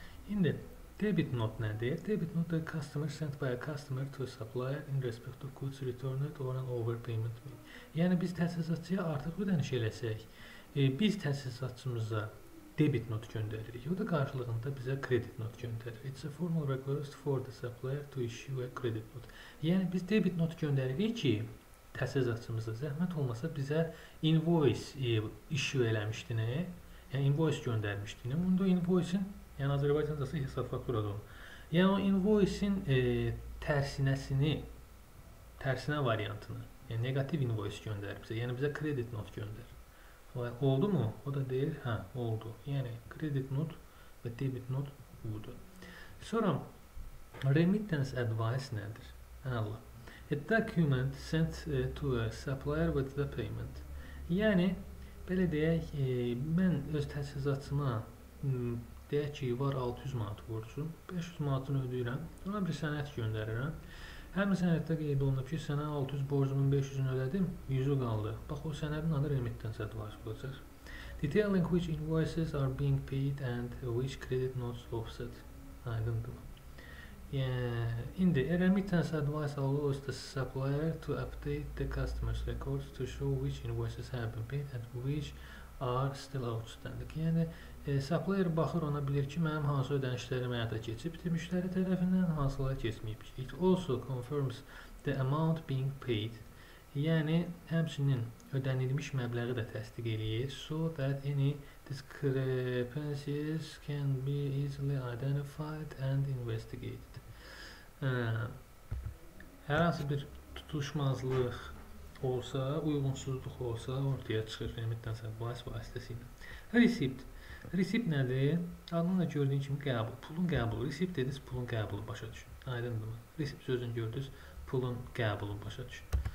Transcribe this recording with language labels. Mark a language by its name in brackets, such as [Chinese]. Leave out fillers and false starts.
[Azerbaijani] İndi debit note nədir? [English] Debit note the customer sent by a customer to a supplier in respect of goods returned or an overpayment. [Azerbaijani] Yəni biz təchizatçıya artıq ödəniş eləsək, biz təchizatçımıza debit note göndəririk. O da qarşılığında bizə kredit note göndərir. [English] It's a formal request for the supplier to issue a credit note. [Azerbaijani] Yəni biz debit note göndəririk ki, təchizatçımıza zəhmət olmasa bizə invoice issue eləmişdini, yəni invoice göndərmişdini. Onda invoice-in yəni Azərbaycancası hesab fakturadır onun. Yəni o invoice-in tərsinə variantını, yəni negativ invoice göndərir bizə, yəni bizə kredit not göndərir. Oldu mu? O da deyir, hə, oldu. Yəni kredit not və debit not budur. Sonra, remittance advice nədir? Allah. [English] A document sent to a supplier with the payment. [Azerbaijani] Yəni, belə deyək, mən öz təchizatçıma deyək ki, var 600 manat borcum, 500 manatını ödəyirəm, ona bir sənət göndərirəm. Həmin sənətdə qeyd olunub ki, sənə 600 borcumun 500-ünü ödədim, 100-ü qaldı. Bax, o sənədin adı remittance advice olacaq. [English] Detailing which invoices are being paid and which credit notes offset. Aydındır. İndi, remittance advice allows the supplier to update the customer's records to show which invoices have been paid and which are still outstanding. [Azerbaijani] Yəni, supplier baxır ona bilir ki, mənim hansı ödənişlərim həyata keçib müştəri tərəfindən, hansılar keçməyib. [English] It also confirms the amount being paid. [Azerbaijani] Yəni, həmçinin ödənilmiş məbləği də təsdiq eləyir. [English] So that any discrepancies can be easily identified and investigated. [Azerbaijani] Hər hansı bir tutuşmazlıq olsa, uyğunsuzluq olsa ortaya çıxır remittance advice vasitəsilə. Receipt. Receipt nədir? Adını da gördüyün kimi qəbul. Pulun qəbulu. Receipt dediniz, pulun qəbulu başa düşün. Aydındır mı? Receipt sözünü gördünüz, pulun qəbulu başa düşün.